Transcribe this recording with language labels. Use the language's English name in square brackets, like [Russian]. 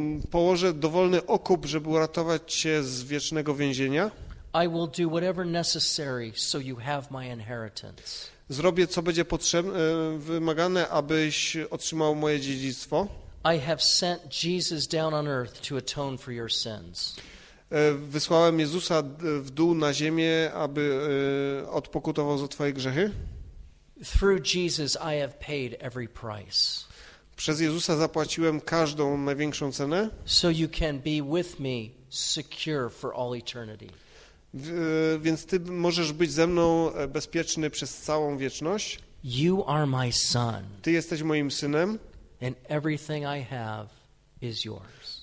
[Polish] Położę dowolny okup, żeby uratować cię z wiecznego więzienia. [English] I will do whatever necessary so you have my inheritance. [Polish] Zrobię, co będzie wymagane, abyś otrzymał moje dziedzictwo. [English] I have sent Jesus down on earth to atone for your sins. [Polish] Wysłałem Jezusa w dół na ziemię, aby odpokutował za twoje grzechy. [English] Through Jesus I have paid every price. [Polish] Przez Jezusa zapłaciłem każdą największą cenę. [English] So you can be with me secure for all eternity. [Polish] Więc ty możesz być ze mną bezpieczny przez całą wieczność. [English] You are my son. [Polish] Ty jesteś moim synem. [English] And everything I have is yours.